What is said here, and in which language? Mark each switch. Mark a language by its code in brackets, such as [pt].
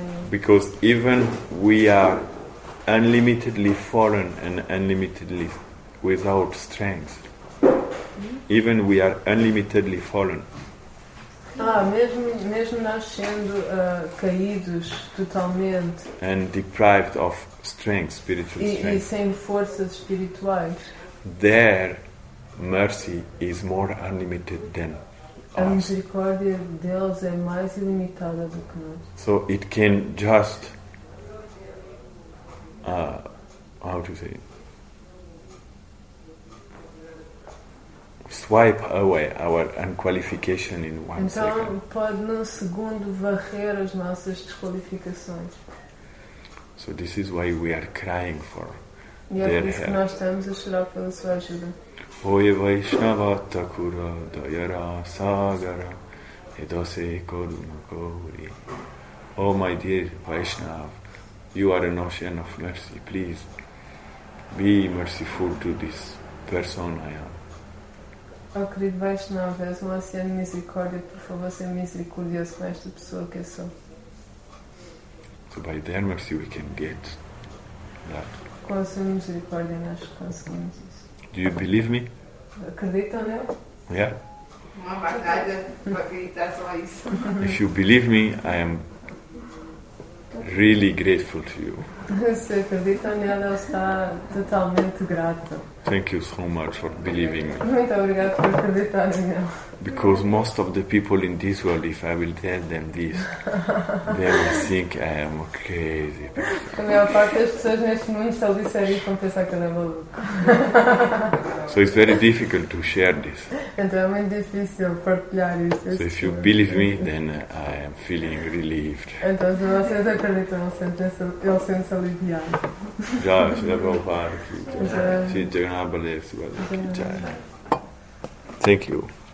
[en] Because even we are unlimitedly foreign and unlimitedly without strength. Even we are unlimitedly fallen. [pt] Mesmo nós sendo caídos totalmente. [en] And deprived of strength, spiritual strength. [pt] E sem forças espirituais. [en] Their mercy is more unlimited than us. [pt] A misericórdia deles é mais ilimitada do que nós. [en] So it can just how to say it? Swipe away our unqualification in one [pt] então, [en] second. [pt] Então pode num segundo varrer as nossas desqualificações. [en] So this is why we are crying for their help. [pt] E é por isso que nós estamos a chorar pela sua ajuda. [bn] Oi Vaishnava Thakura Dayara Sagara Edose Koduma Kori. [en] Oh my dear Vaishnav, you are an ocean of mercy. Please be merciful to this person I am. [pt] Oh, querido Vaishnava, és um oceano de misericórdia. Por favor, seja misericordioso com esta pessoa que eu sou. [en] So by their mercy we can get that. [pt] Com a sua misericórdia nós conseguimos isso. [en] Do you believe me? [pt] Acredita nele? [en] Yeah. [pt] Uma batalha para acreditar só isso. [en] If you believe me, I am really grateful to you. [pt] Se acredita nele, ele está totalmente grato. [en] Thank you so much for believing me. [pt] Muito obrigado por acreditar em mim. [en] Because most of the people in this world, if I will tell them this, they will think I am crazy. [pt] A maior parte das pessoas neste mundo, se eu disser isso, vão pensar que eu sou maluco. [en] So it's very difficult to share this. [pt] Então é muito difícil partilhar isso. [en] So if you believe me, then I am feeling relieved. [pt] Então se vocês acreditam, eu sinto aliviado. Já, já vou falar aqui. Sim, já. [en] Thank you.